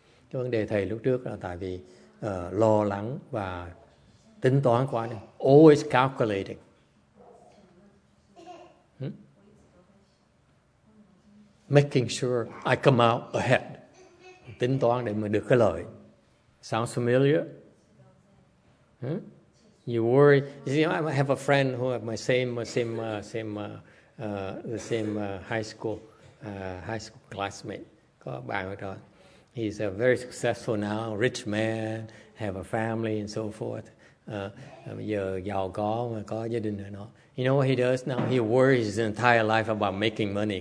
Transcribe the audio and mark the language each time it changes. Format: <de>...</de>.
<vi>Cái vấn đề thầy lúc trước là tại vì lo lắng và tính toán quá đi.</vi> <en>Always calculating. Making sure I come out ahead.</en> <vi>Tính toán để mà được cái lợi.</vi> <en>Sounds familiar? You worry. You see, I have a friend who have my same high school classmate.</en> <vi>Có bạn đó.</vi> <en>He's a very successful now, rich man, have a family and so forth.</en> <vi>Giờ giàu có gia đình rồi nó.</vi> <en>You know what he does now? He worries his entire life about making money.</en>